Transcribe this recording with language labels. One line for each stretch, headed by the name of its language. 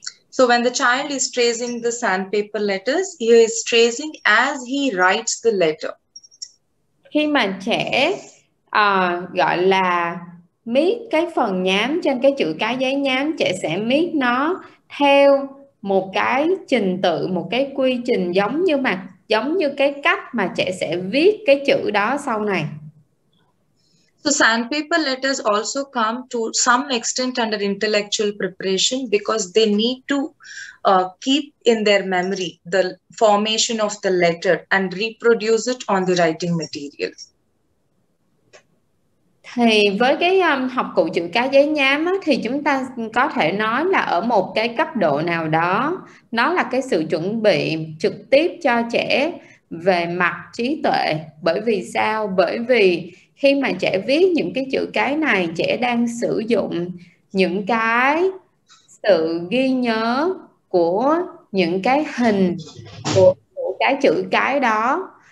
English: So when the child is tracing the sandpaper letters, he is tracing as he writes the letter.
Vietnamese: Khi mà trẻ gọi là miết cái phần nhám trên cái chữ cái giấy nhám, trẻ sẽ miết nó theo một cái trình tự, một cái quy trình giống như cái cách mà trẻ sẽ viết cái chữ đó sau này.
English: So sandpaper letters also come to some extent under intellectual preparation because they need to keep in their memory the formation of the letter and reproduce it on the writing material.
Vietnamese: Thì với cái học cụ chữ cái giấy nhám á, thì chúng ta có thể nói là ở một cái cấp độ nào đó, nó là cái sự chuẩn bị trực tiếp cho trẻ về mặt trí tuệ. Bởi vì sao? Bởi vì khi mà trẻ viết những cái chữ cái này, trẻ đang sử dụng những cái sự ghi nhớ của những cái hình của cái chữ cái đó,